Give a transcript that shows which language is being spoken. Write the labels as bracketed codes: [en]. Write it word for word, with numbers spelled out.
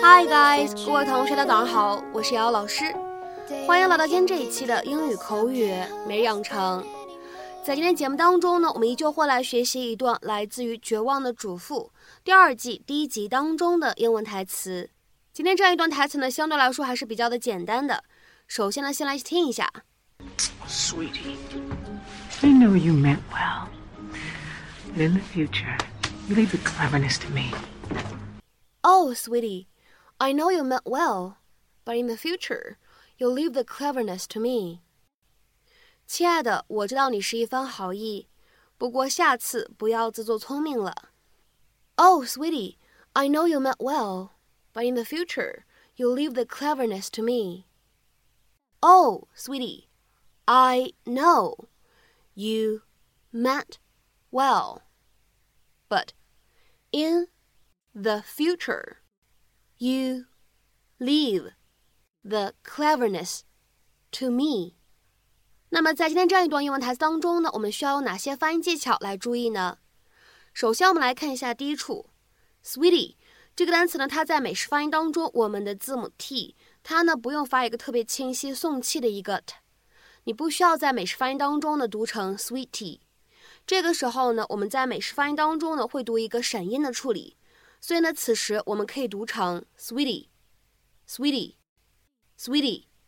[zh] Hi guys， 各位同学，大家好，我是姚老师，欢迎来到今天这一期的英语口语每日养成。在今天节目当中呢，我们依旧会来学习一段来自于《绝望的主妇》第二季第一集当中的英文台词。今天这样一段台词呢，相对来说还是比较的简单的。首先呢，先来听一下。 [en] Sweetie, I know you meant well, but in the future, you leave the cleverness to me. Oh, sweetie, I know you meant well, but in the future, you leave the cleverness to me. [zh] 亲爱的，我知道你是一番好意，不过下次不要自作聪明了。 [en] Oh, sweetie, I know you meant well, but in the future, you leave the cleverness to me. Oh, sweetie. I know you meant well, but in the future, you leave the cleverness to me. [zh] 那么在今天这样一段英文台词当中呢，我们需要有哪些发音技巧来注意呢？首先我们来看一下第一处 Sweetie 这个单词呢，它在美式发音当中，我们的字母 T 它呢不用发一个特别清晰送气的一个 T，你不需要在美式发音当中呢读成 sweetie， 这个时候呢我们在美式发音当中呢会读一个闪音的处理，所以呢此时我们可以读成 sweetie sweetie sweetie。